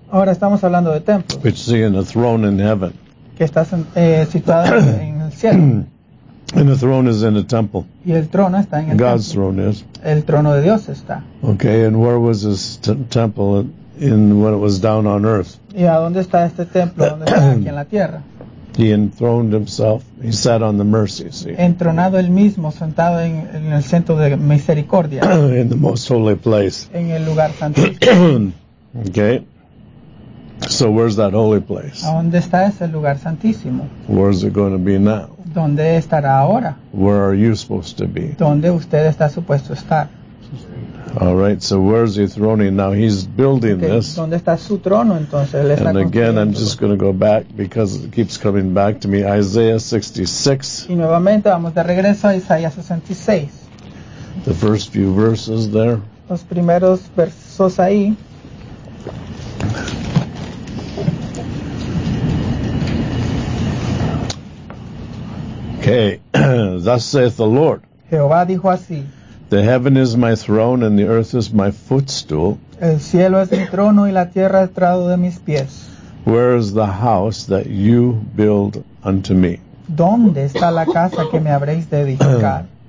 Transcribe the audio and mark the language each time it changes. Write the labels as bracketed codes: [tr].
[es] Ahora estamos hablando de templos. [en] Which is in a throne in heaven. [es] Que está situado en el cielo. [en] And the throne is in a temple. [es] Y el trono está en el [en] God's [es] templo. [en] Throne is. [es] El trono de Dios está. [en] Okay, and where was this temple in when it was down on earth? [es] Y a dónde está este templo donde está aquí en la tierra? [en] He enthroned himself. He sat on the mercy seat. [es] Entronado él mismo, sentado en el centro de misericordia. [en] In the most holy place. [es] En el lugar santo. [en] Okay. So where's that holy place? [es] ¿A dónde está ese lugar santísimo? [en] Where's it going to be now? [es] ¿Dónde estará ahora? [en] Where are you supposed to be? [es] ¿Dónde usted está supuesto estar? [en] All right, so where's he throning now? He's building okay, this. [es] ¿Dónde está su trono, entonces? [en] And [es] está [en] again, I'm just going to go back because it keeps coming back to me. Isaiah 66. [es] Y nuevamente vamos de regreso a Isaías 66. [en] The first few verses there. [es] Los primeros versos ahí. [en] Okay, thus saith the Lord. [es] Jehová dijo así. [en] The heaven is my throne and the earth is my footstool. [es] El cielo es mi trono y la tierra el estrado de mis pies. [en] Where is the house that you build unto me? [es] ¿Dónde está la casa que me habréis de edificar?